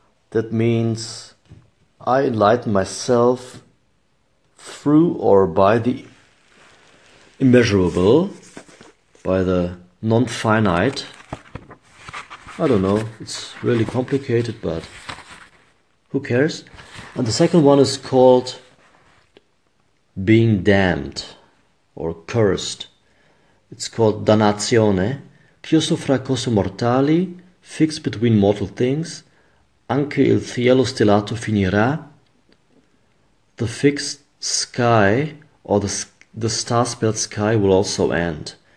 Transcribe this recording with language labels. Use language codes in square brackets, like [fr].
[en] That means I enlighten myself through or by the immeasurable, by the non-finite. I don't know, it's really complicated, but who cares? And the second one is called being damned or cursed. It's called Dannazione. [it] Chiuso fra cose mortali, [en] fixed between mortal things, [it] anche il cielo stellato finirà. [en] The fixed sky, or the star-spelled sky, will also end.